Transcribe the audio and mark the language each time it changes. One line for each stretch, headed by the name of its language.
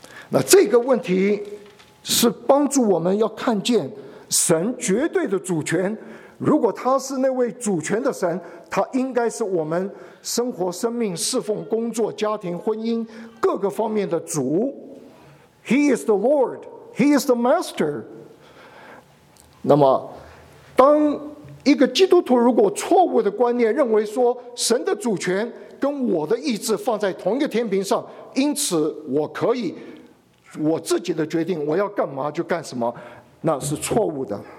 Chinese: 那这个问题是帮助我们要看见神绝对的主权，如果他是那位主权的神，他应该是我们生活、生命、侍奉、工作、家庭、婚姻各个方面的主。
English: He is the Lord, He is the Master。
Chinese: 那么当一个基督徒如果错误的观念认为说神的主权跟我的意志放在同一个天平上，因此我可以我自己的决定我要干嘛就干什么，那是错误的。